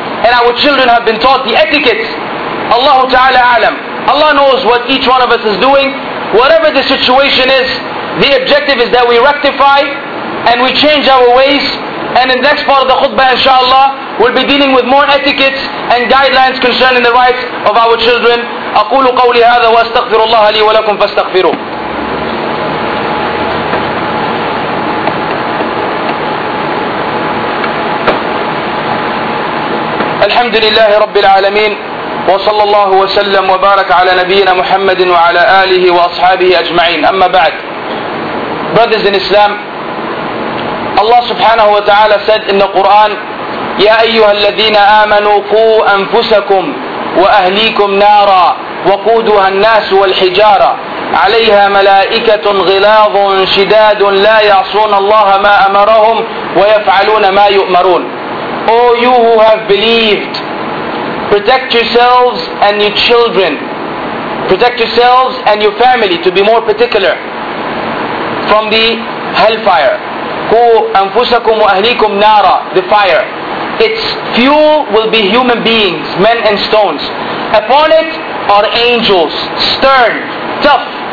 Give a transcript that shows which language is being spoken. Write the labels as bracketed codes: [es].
[en] And our children have been taught the etiquette. Allahu ta'ala alam. Allah knows what each one of us is doing. Whatever the situation is, the objective is that we rectify and we change our ways. And in the next part of the khutbah, inshallah, we'll be dealing with more etiquettes and guidelines concerning the rights of our children. [ar] أقول قولي هذا واستغفر الله لي ولكم فاستغفروا. الحمد لله رب العالمين وصلى الله وسلم وبارك على نبينا محمد وعلى آله وأصحابه أجمعين. أما بعد, [en] brothers in Islam, Allah [ar] سبحانه وتعالى [en] said in the Quran, [ar] يا أيها الذين آمنوا قوا أنفسكم وأهليكم نارا وقودها الناس والحجارة عليها ملائكة غلاظ شداد لا يعصون الله ما أمرهم ويفعلون ما يؤمرون. [en] O you who have believed, protect yourselves and your children. Protect yourselves and your family, to be more particular, from the hellfire. [ar] Qu anfusakum wa ahlikum nara, [en] the fire. Its fuel will be human beings, men and stones. Upon it are angels, stern, tough,